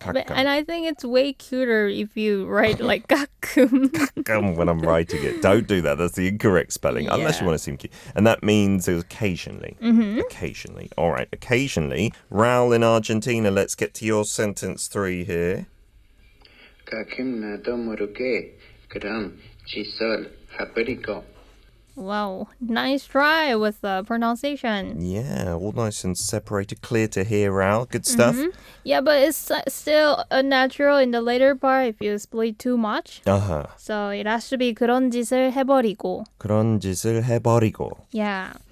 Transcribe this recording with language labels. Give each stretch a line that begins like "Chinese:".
English: But, and I think it's way cuter if you write like 가끔. 가끔 when I'm writing it. Don't do that. That's the incorrect spelling. Yeah. Unless you want to seem cute. And that means occasionally. Mm-hmm. Occasionally. All right. Occasionally. Raul in Argentina, let's get to your sentence three here.
Korean: 가끔 나도 모르게 그런 짓을 해버리고.
English: Wow, nice try with the pronunciation. Yeah, all nice and separated, clear to hear, Raul. Good stuff. Mm-hmm. Yeah, but it's still unnatural in the later part if you split too much. Uh-huh. So it has to be
Korean: 그런 짓을 해버리고. 그런 짓을 해버리고.
English: Yeah.